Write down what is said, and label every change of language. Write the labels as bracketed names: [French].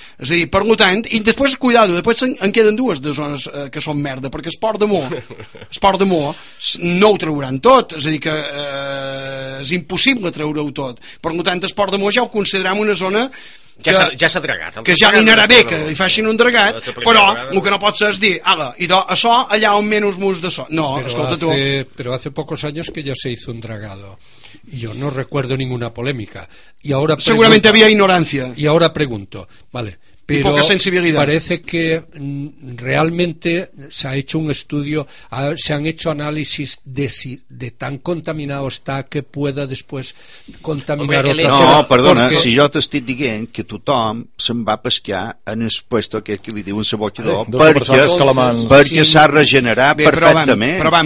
[Catalan] És a dir, per tant, i després, cuidado, després en queden dues de zones que són merda, perquè Esport de Mó no ho trauran tot, és a dir, que és impossible treure-ho tot. Per tant, Esport de Mó ja ho considerem una zona ja s'ha dragat. Que ja li anarà bé que li facin un dragat, però el que no pot ser és dir, ala, idò, això allà on menys mus de so. No, escolta tu. [Spanish] Però hace pocos años que ya se hizo un dragado. Yo no recuerdo ninguna polémica. Y ahora seguramente había ignorancia. Y ahora pregunto, vale, pero poca sensibilidad. Parece que realmente se ha hecho un estudio, se han hecho análisis de tan contaminado está que pueda después contaminar otra zona. No, perdona, porque... [Catalan] si jo t'estic dient que tothom se'n va pescar en el puesto que li diuen sabotador perquè s'ha regenerat perfectament.